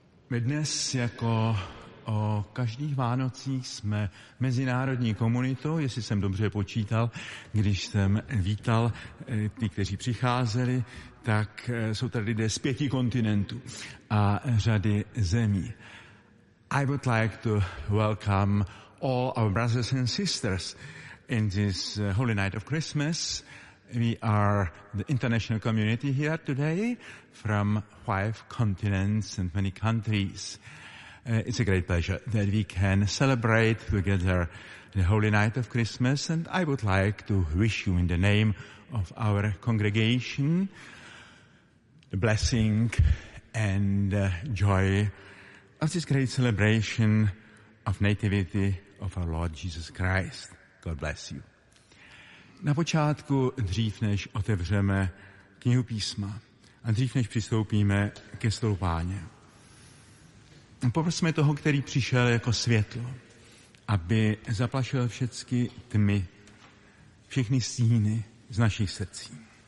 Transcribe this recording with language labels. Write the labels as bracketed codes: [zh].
[cs] My dnes jako o každých Vánocích jsme mezinárodní komunitou, jestli jsem dobře počítal, když jsem vítal ty, kteří přicházeli, tak jsou tady lidé z 5 kontinentů a řady zemí. [en] I would like to welcome all our brothers and sisters in this holy night of Christmas. We are the international community here today from 5 continents and many countries. It's a great pleasure that we can celebrate together the holy night of Christmas, and I would like to wish you in the name of our congregation the blessing and joy of this great celebration of nativity of our Lord Jesus Christ. God bless you. [cs] Na počátku, dřív než otevřeme knihu písma a dřív než přistoupíme ke stolu Páně, poprosme toho, který přišel jako světlo, aby zaplašil všechny tmy, všechny stíny z našich srdcí.